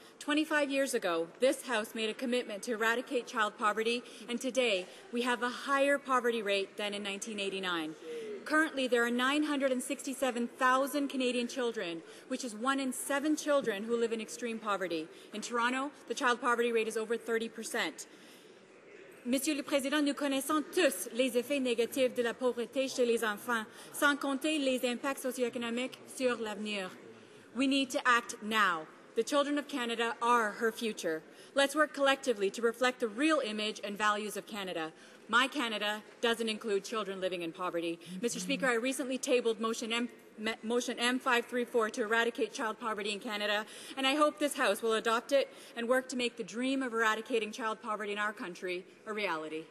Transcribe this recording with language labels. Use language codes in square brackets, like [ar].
[en] 25 years ago, this House made a commitment to eradicate child poverty, and today we have a higher poverty rate than in 1989. Currently, there are 967,000 Canadian children, which is one in seven children who live in extreme poverty. In Toronto, the child poverty rate is over 30%. [fr] Monsieur le Président, nous connaissons tous les effets négatifs de la pauvreté chez les enfants, sans compter les impacts socio-économiques sur l'avenir. [en] We need to act now. The children of Canada are her future. Let's work collectively to reflect the real image and values of Canada. My Canada doesn't include children living in poverty. Mr. Speaker, I recently tabled motion M534 to eradicate child poverty in Canada, and I hope this House will adopt it and work to make the dream of eradicating child poverty in our country a reality.